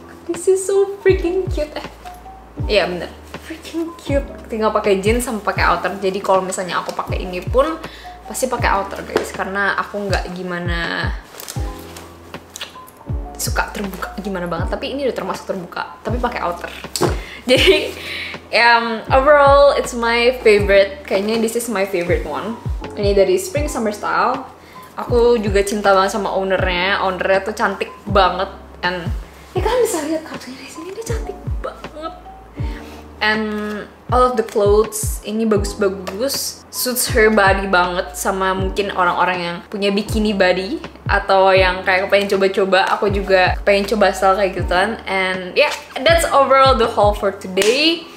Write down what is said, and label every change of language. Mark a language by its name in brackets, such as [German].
[English] This is so freaking cute. [Indonesian] Iya, bener. [English] Freaking cute. [Indonesian] Tinggal pakai jeans sama pakai outer. Jadi kalau misalnya aku pakai ini pun pasti pakai outer, guys, karena aku enggak gimana suka terbuka gimana banget, tapi ini udah termasuk terbuka tapi pakai outer. [English] Jadi overall it's my favorite, kayaknya this is my favorite one. [Indonesian] Ini dari spring summer style. Aku juga cinta banget sama ownernya tuh cantik banget. And ya, kalian bisa lihat kartunya di sini, dia cantik banget. [English] And all of the clothes [Indonesian] ini bagus-bagus, [English] suits her body [Indonesian] banget, sama mungkin orang-orang yang punya bikini body atau yang kayak pengen coba-coba. Aku juga pengen coba style kayak gitu kan. [English] And yeah, that's overall the haul for today.